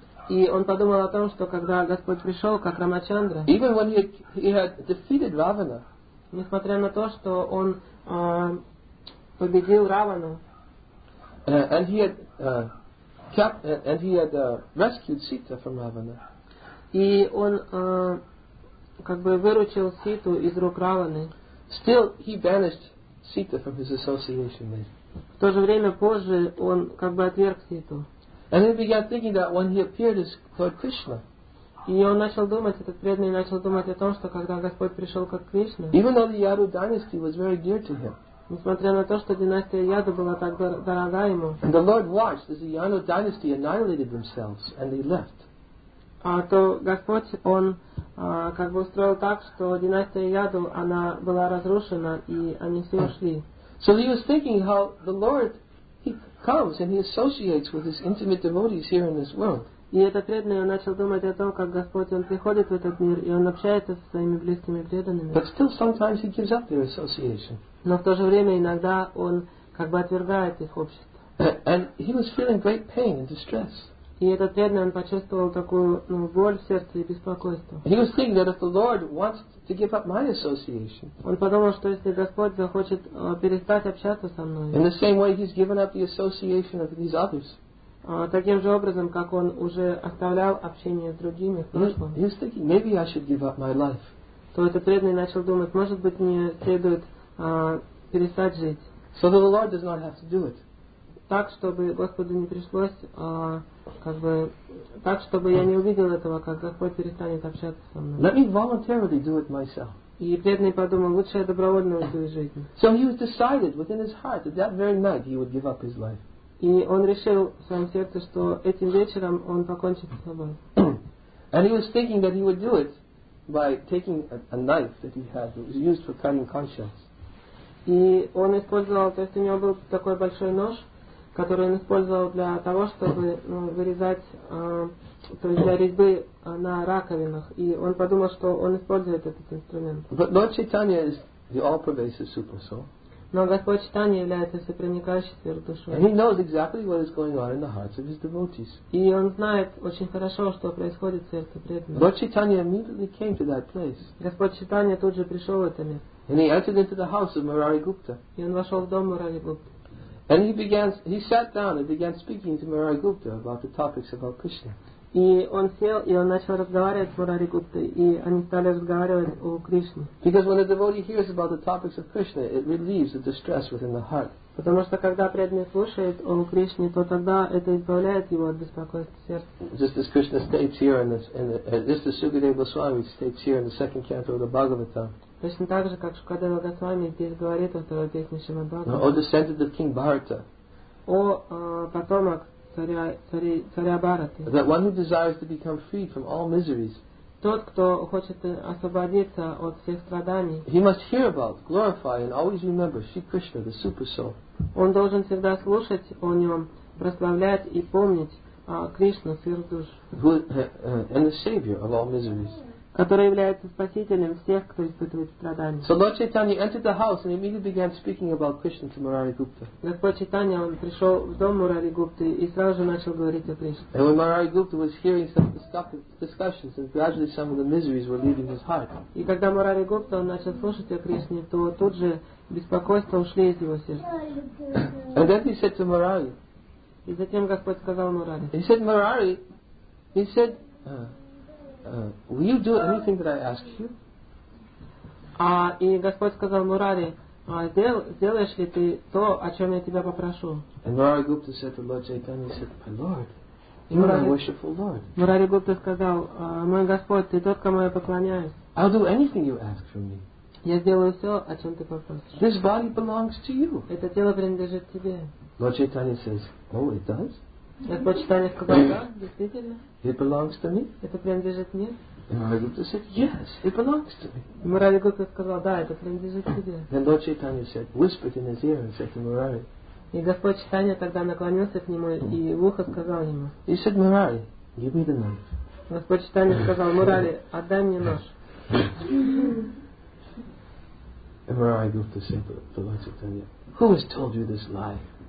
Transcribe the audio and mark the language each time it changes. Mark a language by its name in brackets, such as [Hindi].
[Russian] И он подумал о том, что когда Господь пришел как Рамачандра, [English] even when he had defeated Ravana, [Russian] несмотря на то, что он победил Равану, [English] and he had rescued Sita from Ravana, [Russian] и он как бы выручил Ситу из рук Раваны, [English] still he banished Sita from his association with. [Russian] В то же время позже он как бы отверг Ситу. [English] And he began thinking that when he appeared as Lord Krishna, [Russian] и он начал думать, этот преданный начал думать о том, что когда Господь пришел как Кришна, [English] even though the Yadu dynasty was very dear to him, [Russian] несмотря на то, что династия Яду была так дорога ему, [English] and the Lord watched as the Yadu dynasty annihilated themselves and they left. [Russian] А то Господь, он как бы устроил так, что династия Яду, она была разрушена, и они все ушли. [English] So he was thinking how the Lord comes and he associates with his intimate devotees here in this world. [Russian] И этот преданный начал думать о том, как Господь он приходит в этот мир и он общается со своими близкими преданными. [English] But still, sometimes he gives up their association. [Russian] Но в то же время иногда он как бы отвергает их общество. [English] And he was feeling great pain and distress. [Russian] И этот преданный почувствовал такую боль в сердце и беспокойство. [English] He was thinking that if the Lord wants to give up my association, [Russian] он подумал, что если Господь захочет перестать общаться со мной, [English] in the same way he's given up the association of these others, [Russian] таким же образом, как он уже оставлял общение с другими в прошлом, [English] he was thinking, maybe I should give up my life. [Russian] То этот преданный начал думать, может быть, мне следует перестать жить. [English] So that the Lord does not have to do it. [Russian] Так, чтобы Господу не пришлось, как бы, так, чтобы я не увидел этого, как Господь перестанет общаться со мной. [English] Let me voluntarily do it myself. [Russian] И бедный подумал, лучше я добровольно уйду из жизни. [English] So he was decided within his heart that that very night he would give up his life. [Russian] И он решил в своем сердце, что этим вечером он покончит с собой. [English] And he was thinking that he would do it by taking a knife that he had that was used for cutting conscience. [Russian] И он использовал, то есть у него был такой большой нож, который он использовал для того, чтобы вырезать, то есть для резьбы на раковинах. И он подумал, что он использует этот инструмент. [English] But Lord Chaitanya is the all-pervasive super soul. [Russian] Но Господь Чайтанья является всепроникающей сверхдушой. [English] And he knows exactly what is going on in the hearts of his devotees. [Russian] И он знает очень хорошо, что происходит в сердце преданных. [English] Lord Chaitanya immediately came to that place. [Russian] Господь Чайтанья тут же пришел в это место. [English] And he entered into the house of Murari Gupta. [Russian] И он вошел в дом Мурари Гупты. [English] And he sat down and began speaking to Murari Gupta about the topics about Krishna. [Russian] И он сел и он начал разговаривать с Мурари Гуптой, и они стали разговаривать о Кришне. [English] Because when a devotee hears about the topics of Krishna, it relieves the distress within the heart. [Russian] Потому что когда преданный слушает о Кришне, то тогда это избавляет его от беспокойства сердца. [English] Just as Krishna states here just as Sukadeva Goswami states here in the second canto of the Bhagavatam. [Russian] Точно так же, как Шукадева Госвами здесь говорит о второй песне Шримад-Бхагаватам. [English] O descendant of King Bharata. [Russian] О потомок царя Бхараты. [English] That one who desires to become free from all miseries. [Russian] Тот, кто хочет освободиться от всех страданий. [English] He must hear about, glorify, and always remember Sri Krishna, the super soul. [Russian] Он должен всегда слушать о нем, прославлять и помнить Кришну, сверхдуш. [English] And the savior of all miseries. [Russian] Который является спасителем всех, кто испытывает страдания. [English] So Lord Chaitanya entered the house and immediately began speaking about Krishna to Murari Gupta. [Russian] Господь Чайтанья, он пришел в дом Мурари Гупты и сразу же начал говорить о Кришне. [English] And when Murari Gupta was hearing some discussions and gradually some of the miseries were leaving his heart. [Russian] И когда Мурари Гупта начал слушать о Кришне, то тут же беспокойство ушли из его сердца. [English] And then he said to Murari. [Russian] И затем Господь сказал Мурари. [English] He said, Murari, he said, will you do anything that I ask you? [Russian] И Господь сказал Мурари, сделаешь ли ты то, о чем я тебя попрошу? [English] And Murari Gupta said to Lord Chaitanya, he said, my Lord, you are my worshipful Lord. [Russian] Мурари Гупта сказал, мой Господь, ты тот, кому я поклоняюсь. [English] I'll do anything you ask from me. [Russian] Я сделаю все, о чем ты попросишь. [English] This body belongs to you. [Russian] Это тело принадлежит тебе. [English] Lord Chaitanya says, oh, it does? [Russian] Господь Чайтанья сказал, да, действительно. [English] It belongs to me. [Russian] Это принадлежит мне. [English] Murari Gupta said, yes, it belongs to me. [Russian] Murari Gupta сказал, да, это принадлежит тебе. [English] And Lord Chaitanya said, whispered in his ear and said to Murari. [Russian] И Господь Чайтанья тогда наклонился к нему и в ухо сказал ему. [English] He said, Murari, give me the knife. [Russian] Господь Чайтанья сказал, Murari, отдай мне нож. [English] And Murari Gupta said to Lord Chaitanya, who has told you this lie?